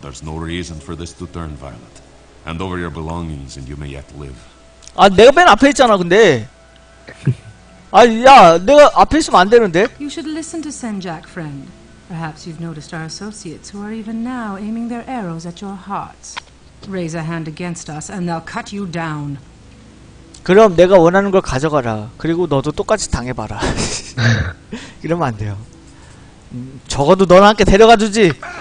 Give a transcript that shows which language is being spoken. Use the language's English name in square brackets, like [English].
[English] There's no reason for this to turn violent. Hand over your belongings and you may yet live. [Korean] 아 내가 맨 앞에 있잖아 근데. 아 야 내가 앞에 있으면 안 되는데. [English] You should listen to Senjak, friend. Perhaps you've noticed our associates who are even now aiming their arrows at your hearts. Raise a hand against us and they'll cut you down. [Korean] 그럼 내가 원하는 걸 가져가라. 그리고 너도 똑같이 당해봐라. 이러면 안 돼요. 적어도 너랑 함께 데려가 주지.